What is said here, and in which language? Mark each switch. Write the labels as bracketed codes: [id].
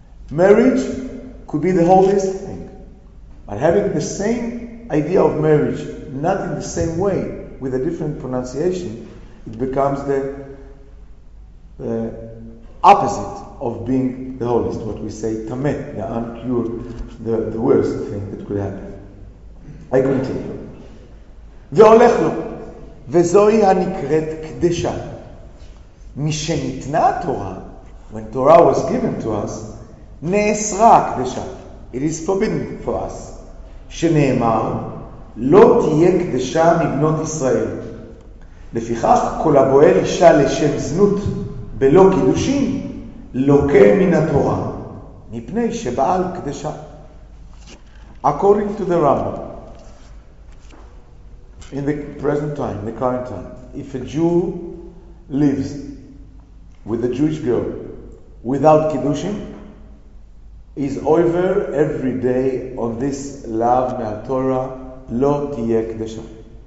[en] Marriage could be the holiest thing, but having the same idea of marriage, not in the same way, with a different pronunciation, it becomes the opposite of being the holiest, what we say, tameh, the unpure, the worst thing that could happen. I continue. [he] Ve'olech lo, ve'zoi hanikret kdesha. Mishenitna Torah, [en] when Torah was given to us, [he] ne'esra kdesha, [en] it is forbidden for us. [he] Sheneemar, לא תהיה קדשה מבנות ישראל. לפיכך, כל הבועל אישה לשם זנות בלא קידושין, לוקה מן התורה, מפני שבעל קדשה. [en] According to the Rambam, in the present time, the current time, if a Jew lives with a Jewish girl without קידושין, is over every day on this love מהתורה, [he] לא תהיה קדשה.